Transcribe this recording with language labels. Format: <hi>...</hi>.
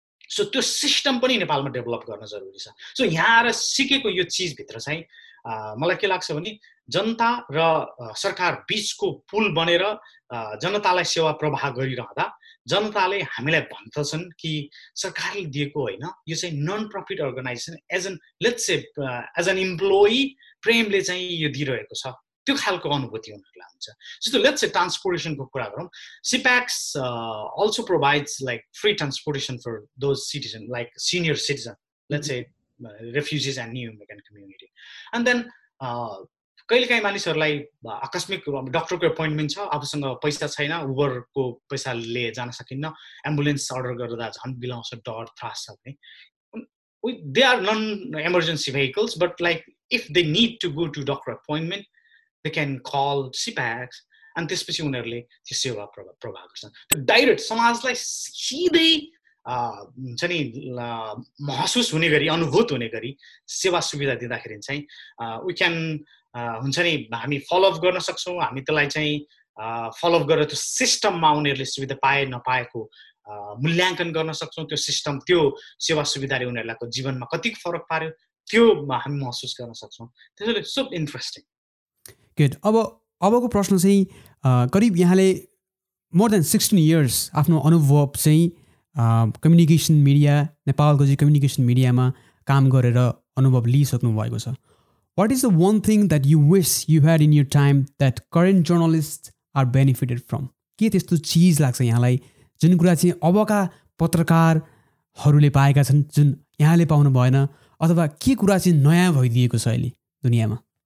<ne>So त्यो system पनि नेपालमा डेभलप गर्न जरुरी छ। सो यहाँ आएर सिकेको यो चिजभित्र चाहिँ मलाई के लाग्छ भने जनता र सरकार बिचको पुल बनेर जनतालाई सेवा प्रवाह गरिरहँदा जनताले हामीलाई भन्दछन् कि सरकारले दिएको होइन, यो चाहिँ</ne> <en>non profit organization as an let's say as an employee</en> <ne>प्रेमले चाहिँ यो दिइरहेको छ, त्यो खालको अनुभूति उनीहरूलाई हुन्छ।</ne> <en>जस्तो let's say ट्रान्सपोर्टेसनको</en> <ne>कुरा गरौँ,</ne> <en>CPACS also provides like free transportation for those citizen like senior citizen let's say refugees and new American community.</en> <ne>And then कहिलेकाहीँ मानिसहरूलाई आकस्मिक डक्टरको एपोइन्टमेन्ट छ, आफूसँग पैसा छैन, उबरको पैसा लिए जान सकिन्न, एम्बुलेन्स अर्डर गर्दा झन् बिलाउँछ, डर थ्रास छ भने</ne> <en>they are non emergency vehicles, but like if they need to go to doctor appointment they can call CPACS</en> <ne>and त्यसपछि उनीहरूले त्यो सेवा प्रभाव गर्छन्। त्यो डाइरेक्ट समाजलाई सिधै हुन्छ नि महसुस हुने गरी अनुभूत हुने गरी सेवा सुविधा दिँदाखेरि चाहिँ वी क्यान हुन्छ नि हामी फलोअप गर्न सक्छौँ, हामी त्यसलाई चाहिँ फलोअप गरेर त्यो सिस्टममा उनीहरूले सुविधा पाए नपाएको मूल्याङ्कन गर्न सक्छौँ, त्यो सिस्टम त्यो सेवा सुविधाले उनीहरूलाई जीवनमा कति फरक पार्यो त्यो हामी महसुस गर्न सक्छौँ। त्यसैले सो इन्ट्रेस्टिङ</ne> <en>Good.</en> <ne>अबको प्रश्न चाहिँ करिब यहाँले</ne> <en>more than 16 years</en> <ne>आफ्नो अनुभव चाहिँ कम्युनिकेसन मिडिया नेपालको चाहिँ कम्युनिकेसन मीडियामा काम गरेर अनुभव लिइसक्नु भएको छ।</ne> <en>What is the one thing that you wish you had in your time that current journalists are benefited from?</en> <ne>के त्यस्तो चिज लाग्छ यहाँलाई जुन कुरा चाहिँ अबका पत्रकारहरूले पाएका छन् जुन यहाँले पाउनु भएन, अथवा के कुरा चाहिँ नयाँ भइदिएको छ अहिले दुनियाँमा?</ne>